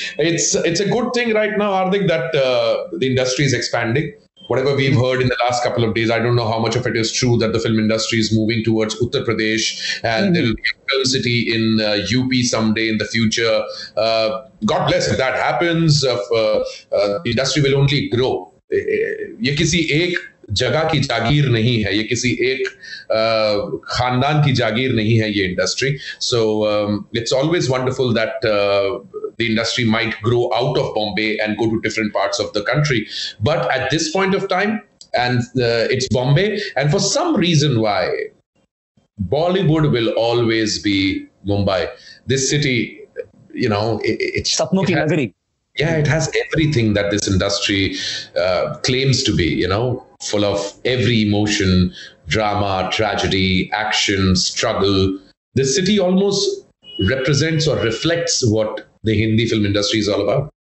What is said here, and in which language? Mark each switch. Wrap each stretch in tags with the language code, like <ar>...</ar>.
<en>It's a good thing right now, Hardik, that the industry is expanding. Whatever we've heard in the last couple of days, I don't know how much of it is true, that the film industry is moving towards Uttar Pradesh and there'll be a film city in UP someday in the future. God bless, if that happens, the industry will only grow.</en> <hi>Ye kisi ek जगह की जागीर नहीं है, ये किसी एक खानदान की जागीर नहीं है ये industry.</hi> <en>So it's always wonderful that the industry might grow out of Bombay and go to different parts of the country, but at this point of time and it's Bombay and for some reason why Bollywood will always be Mumbai. This city, you know, it's</en> <hi>सपनों की नगरी.</hi> <en>Yeah, it has everything that this industry claims to be, full of every emotion, drama, tragedy, action, struggle. The city almost represents or reflects what the Hindi film industry is all about.</en>